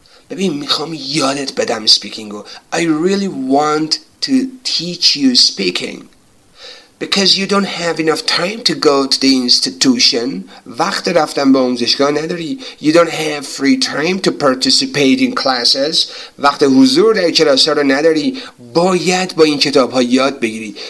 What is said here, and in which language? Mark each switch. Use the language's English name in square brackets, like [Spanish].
[Persian] ببین میخوام یادت بدم speakingو. [English] I really want to teach you speaking. Because you don't have enough time to go to the institution. [Persian] وقت رفتن به آموزشگاه نداری. [English] You don't have free time to participate in classes. [Persian] وقت حضور در کلاس ها رو نداری. باید با این کتاب ها یاد بگیری.